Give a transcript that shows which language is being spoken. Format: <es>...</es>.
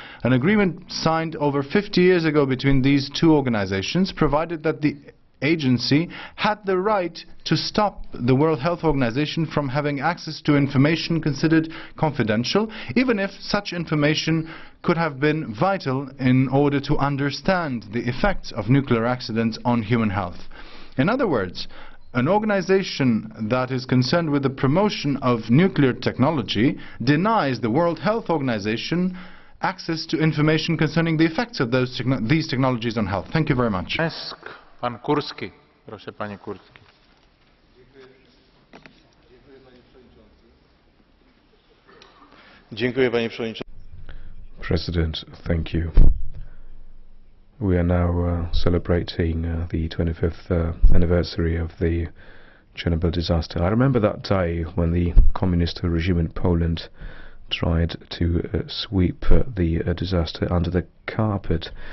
<en>An agreement signed over 50 years ago between these two organizations provided that the agency had the right to stop the World Health Organization from having access to information considered confidential, even if such information could have been vital in order to understand the effects of nuclear accidents on human health. In other words, an organization that is concerned with the promotion of nuclear technology denies the World Health Organization access to information concerning the effects of those these technologies on health. Thank you very much.</en> <pl>Pan Kurski. Proszę, panie Kurski. Dziękuję, panie przewodniczący.</pl> <en>President, thank you. We are now celebrating the 25th anniversary of the Chernobyl disaster. I remember that day when the communist regime in Poland tried to sweep the disaster under the carpet.</en>